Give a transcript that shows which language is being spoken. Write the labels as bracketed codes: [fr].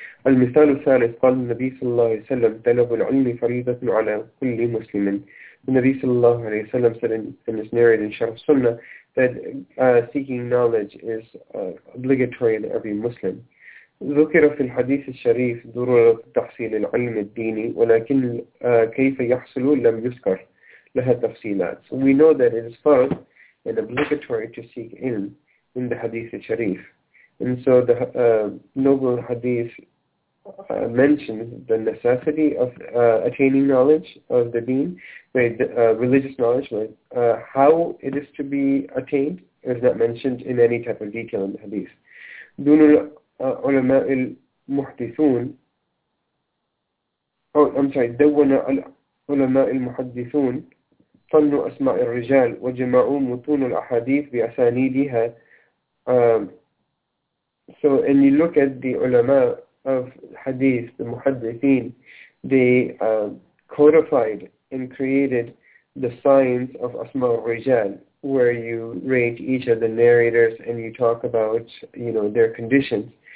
[ar] المثال الثالث قال النبي صلى الله عليه وسلم طلب العلم فريضة على كل مسلم. [en] The Nabi [ar] صلى الله عليه وسلم [en] said in his narrated in Sharh Sunnah that seeking knowledge is obligatory in every Muslim. [ar] ذكر في الحديث الشريف ضرورة تحصيل العلم الديني ولكن كيف يحصل لم يذكر لها تفصيلات. [en] So we know that it is farz and obligatory to seek ilm in the Hadith al-Sharif. And so the noble Hadith mentions the necessity of attaining knowledge of the deen, religious knowledge, but how it is to be attained is not mentioned in any type of detail in the hadith. [ar] دون العلماء المحدثون. [en] Oh, I'm sorry. [ar] دون العلماء المحدثون طنوا أسماء الرجال وجمعوا متون الأحاديث بأسانيدها. [en] So when you look at the ulama of hadith, the muhaddithin, they codified and created the science of asma al-rijal, where you rate each of the narrators and you talk about, their conditions.